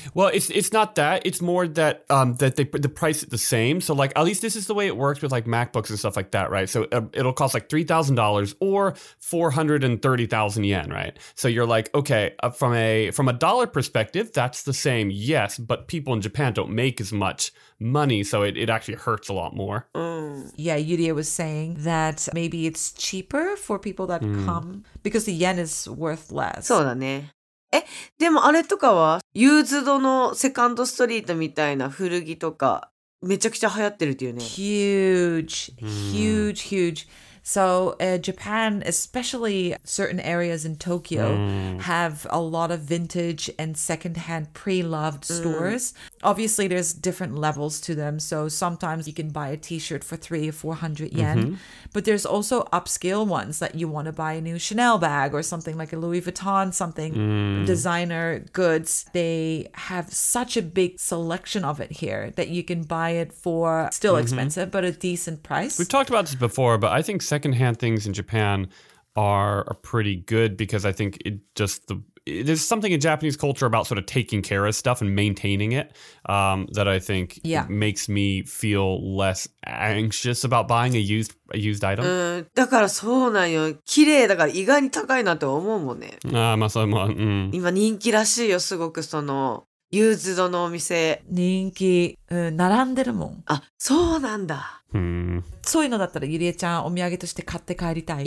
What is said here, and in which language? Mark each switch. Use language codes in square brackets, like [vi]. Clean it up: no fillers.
[en] well it's not that it's more that that they the price is the same so like at least this is the way it works with like MacBooks and stuff like that right so it'll cost like $3,000 or 430,000 yen right so you're like okay from a dollar perspective that's the same yes but people in Japan don't make as much money so it actually hurts a lot more yeah Yuria was saying that maybe it's cheaper for people that come because the yen is worth less [ja] そうだねえでもあれとかはユーズドのセカンドストリートみたいな古着とかめちゃくちゃ流行ってるっていうね [en] huge So, Japan, especially certain areas in Tokyo, have a lot of vintage and secondhand pre-loved stores. Obviously, there's different levels to them. So, sometimes you can buy a t-shirt for 300 or 400 yen. Mm-hmm. But there's also upscale ones that you want to buy a new Chanel bag or something like a Louis Vuitton, something designer goods. They have such a big selection of it here that you can buy it for still expensive, but a decent price. We've talked about this before, but I think secondhand things in Japan are pretty good because I think it just there's something in Japanese culture about sort of taking care of stuff and maintaining it that I think makes me feel less anxious about buying a used item. [ja] だからそうなんよ。綺麗だから意外に高いなと思うもんね。ああ、まあそれも、今人気らしいよ。すごくそのユーズドのお店人気、並んでるもん。あ、そうなんだ。そういうのだったらゆりえちゃんお土産として買って帰りたい。